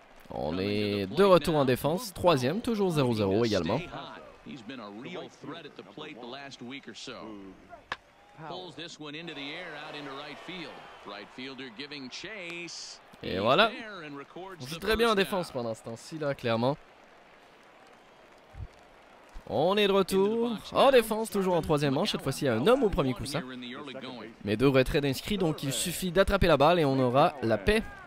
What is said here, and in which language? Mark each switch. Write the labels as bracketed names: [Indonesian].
[French] On est de retour en défense, troisième, toujours 0-0 également. [English] He's been a real threat at the plate the last week or so. Pulls this one into the air out into right field. Right fielder giving chase. [French] Et voilà. On joue très bien en défense pendant ce temps-ci là, clairement. On est de retour en défense, toujours en troisième manche. Cette fois-ci, il y a un homme au premier coussin. Mais deux retraits d'inscrits, donc il suffit d'attraper la balle et on aura la paix.